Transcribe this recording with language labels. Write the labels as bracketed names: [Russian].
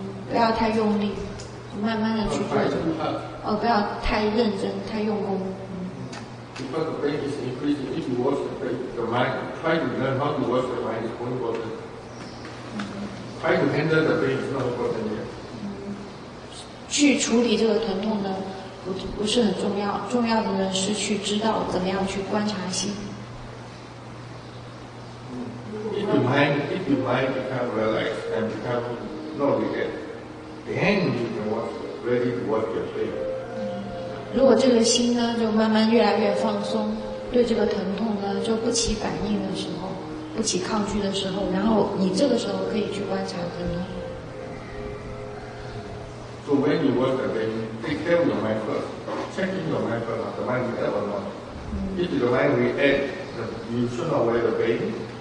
[Chinese] 不要太用力，慢慢的去做。不要太认真，太用功。 [English] Because the pain is increasing, if you watch the pain, the mind, try to learn how to watch the mind is more important. Try to handle the pain is not important yet. [Chinese] 去处理这个疼痛呢，不是很重要，重要的呢是去知道怎么样去观察心。 [English] If your mind become relaxed and become not regret, then you can watch, ready to watch your pain. [Chinese] 如果这个心呢，就慢慢越来越放松，对这个疼痛呢就不起反应的时候，不起抗拒的时候，然后你这个时候可以去观察疼痛。 [English] So when you watch the pain, take care of your mind first. Check in your mind first. The mind react or not? If the mind react, you should not aware the pain.